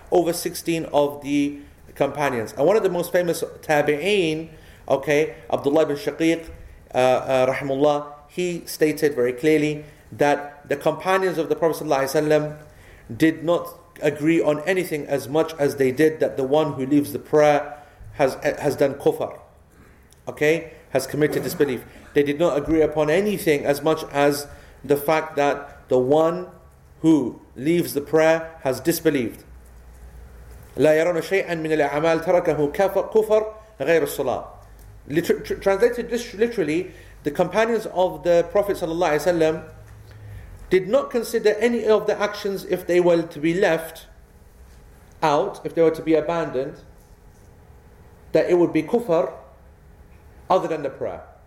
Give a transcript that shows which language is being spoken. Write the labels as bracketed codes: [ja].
[en] Over 16 of the companions. And one of the most famous tabi'een, okay, Abdullah ibn Shaqiq, rahimullah, he stated very clearly that the companions of the Prophet sallallahu alaihi wasallam did not agree on anything as much as they did that the one who leaves the prayer has done kufr, okay, has committed disbelief. They did not agree upon anything as much as the fact that the one who leaves the prayer has disbelieved. [ar] لا يرون شيئا من الأعمال تركه كفر غير الصلاة. [en] Translated this literally, the companions of the Prophet ﷺ did not consider any of the actions, if they were to be left out, if they were to be abandoned, that it would be kufr other than the prayer.